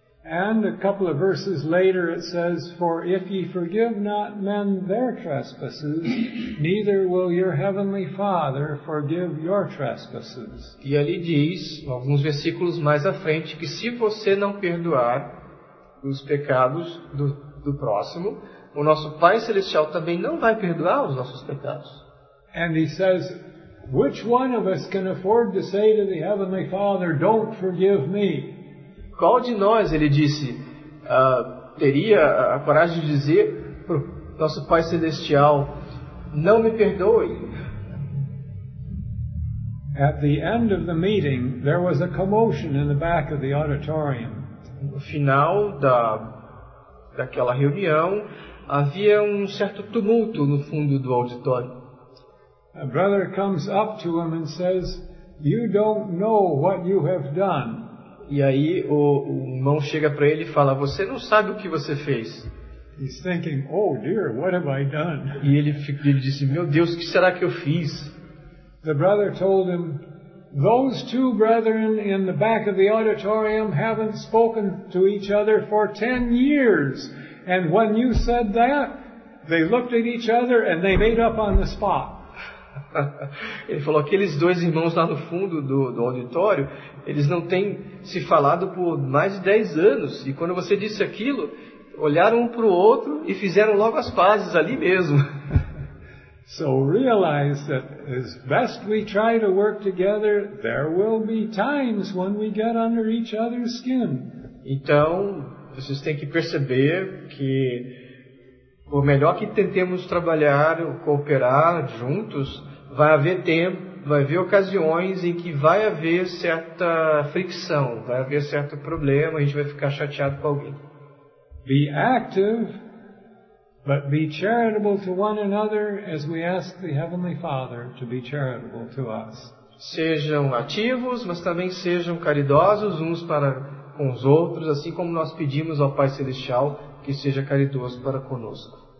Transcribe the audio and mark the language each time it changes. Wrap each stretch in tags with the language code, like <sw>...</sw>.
<en>And a couple of verses later it says, for if ye forgive not men their trespasses, neither will your heavenly Father forgive your trespasses.</en> <pt>E ali diz, alguns versículos mais à frente, que se você não perdoar os pecados do próximo, o nosso Pai Celestial também não vai perdoar os nossos pecados.</pt> <en>And he says, which one of us can afford to say to the heavenly Father, don't forgive me?</en> <pt>Qual de nós, ele disse, teria a coragem de dizer para o nosso Pai Celestial, não me perdoe?</pt> <en>At the end of the meeting, there was a commotion in the back of the auditorium.</en> <pt>No final daquela reunião, havia um certo tumulto no fundo do auditório.</pt> <en>A brother comes up to him and says, you don't know what you have done.</en> <pt>E aí o irmão chega para ele e fala, você não sabe o que você fez.</pt> <en>He's thinking, oh dear, what have I done?</en> <pt>E ele disse, meu Deus, o que será que eu fiz?</pt> <en>The brother told him, those two brethren in the back of the auditorium haven't spoken to each other for 10 years. And when you said that, they looked at each other and they made up on the spot.</en> <pt>Ele falou, aqueles dois irmãos lá no fundo do auditório, eles não têm se falado por mais de 10 anos. E quando você disse aquilo, olharam um para o outro e fizeram logo as pazes ali mesmo.</pt> <en>So realize that as best we try to work together, there will be times when we get under each other's skin.</en> <pt>Então, vocês têm que perceber que por melhor que tentemos trabalhar ou cooperar juntos, vai haver tempo, vai haver ocasiões em que vai haver certa fricção, vai haver certo problema, a gente vai ficar chateado com alguém.</pt> <en>Be active, But be charitable to one another as we ask the Heavenly Father to be charitable to us.</en> <pt>Sejam ativos, mas também sejam caridosos uns para com os outros, assim como nós pedimos ao Pai Celestial que seja caridoso para conosco.</pt>